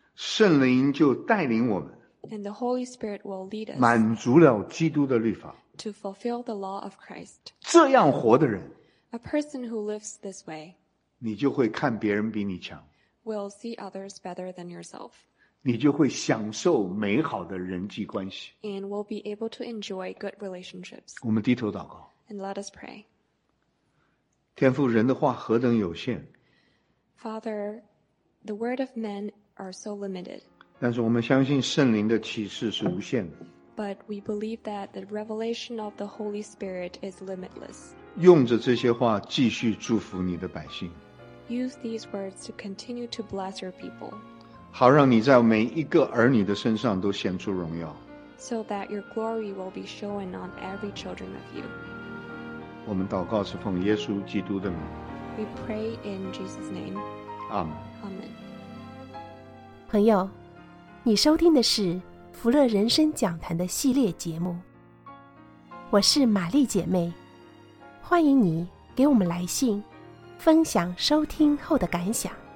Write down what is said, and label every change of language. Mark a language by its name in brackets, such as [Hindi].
[Chinese] 圣灵就带领我们 [English] And the Holy Spirit will lead us. [Chinese] 满足了基督的律法 [English] To fulfill the law of Christ. [Chinese] 这样活的人 [English] A person who lives this way, [Chinese] 你就会看别人比你强。 [English] Will see others better than yourself. [Chinese] 你就会享受美好的人际关系。 [English] And will be able to enjoy good relationships. [Chinese] 我们低头祷告。 [English] And let us pray. [Chinese] 天父，人的话何等有限。 [English] Father, the word of men are so limited. [Chinese] 但是我们相信圣灵的启示是无限的。 [English] But we believe that the revelation of the Holy Spirit is limitless. [Chinese] 用着这些话继续祝福你的百姓。 [English] Use these words to continue to bless your people. [Chinese] 好让你在每一个儿女的身上都显出荣耀。 [English] So that your glory will be shown on every children of you. [Chinese] 我们祷告是奉耶稣基督的名。 [English] We pray in Jesus' name. Amen. Amen. [Chinese] 朋友，你收听的是福乐人生讲坛的系列节目。我是玛丽姐妹。欢迎你给我们来信，分享收听后的感想。